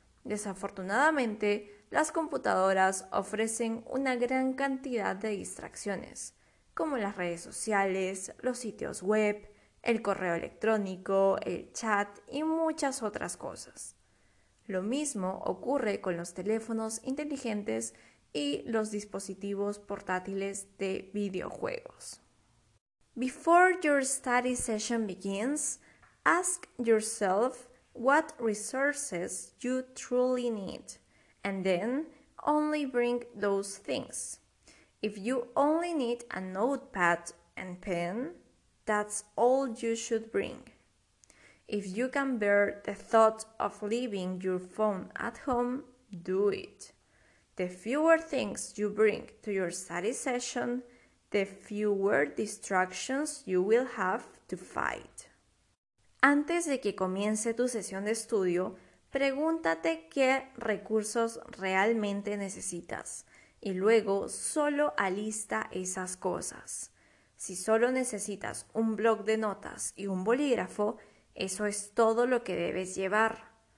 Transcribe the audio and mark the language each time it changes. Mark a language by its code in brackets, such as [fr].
[es] Desafortunadamente, las computadoras ofrecen una gran cantidad de distracciones, como las redes sociales, los sitios web, el correo electrónico, el chat y muchas otras cosas. Lo mismo ocurre con los teléfonos inteligentes y los dispositivos portátiles de videojuegos. [en] Before your study session begins, ask yourself what resources you truly need, and then only bring those things. If you only need a notepad and pen, that's all you should bring. If you can bear the thought of leaving your phone at home, do it. The fewer things you bring to your study session, the fewer distractions you will have to fight. [es] Antes de que comience tu sesión de estudio, pregúntate qué recursos realmente necesitas y luego solo alista esas cosas. Si solo necesitas un bloc de notas y un bolígrafo, eso es todo lo que debes llevar.